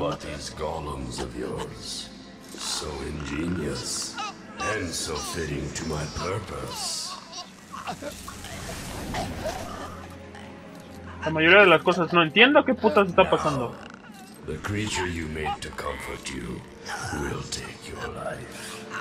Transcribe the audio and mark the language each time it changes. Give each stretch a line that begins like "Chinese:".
English: But these golems of yours, so ingenious, and so fitting to my purpose.
Spanish: La mayoría de las cosas no entiendo qué putas está pasando.
English: The creature you made to comfort you will take your life.